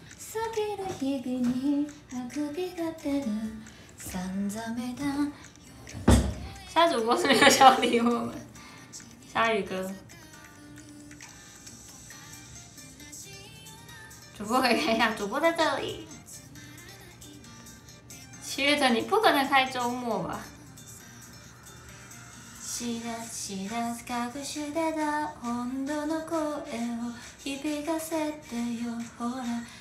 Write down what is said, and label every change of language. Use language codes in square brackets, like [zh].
[ja] 過ぎる日々にあくびが出る散々めだ。 [zh] 沙主播是没有想理我们，鲨鱼哥。主播可以看一下，主播在这里。七月的你不可能开周末吧？ [ja] 知らず知らず隠してた本当の声を響かせてよほら。